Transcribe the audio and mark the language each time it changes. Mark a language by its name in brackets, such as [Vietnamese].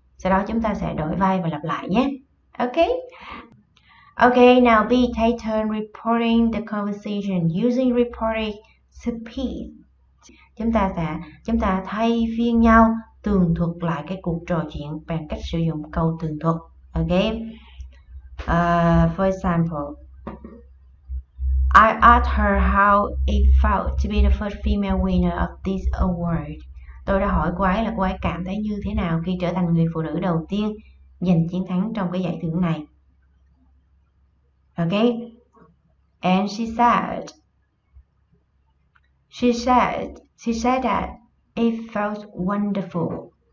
[Vietnamese] Sau đó chúng ta sẽ đổi vai và lặp lại nhé. Ok. Ok, [English] now B, take turn reporting the conversation using reporting speed. [Vietnamese] Chúng ta thay phiên nhau tường thuật lại cái cuộc trò chuyện bằng cách sử dụng câu tường thuật. [English] Ok. For example, I asked her how it felt to be the first female winner of this award. [Vietnamese] Tôi đã hỏi cô ấy là cô ấy cảm thấy như thế nào khi trở thành người phụ nữ đầu tiên giành chiến thắng trong cái giải thưởng này. [English] Okay. And she said that it felt wonderful.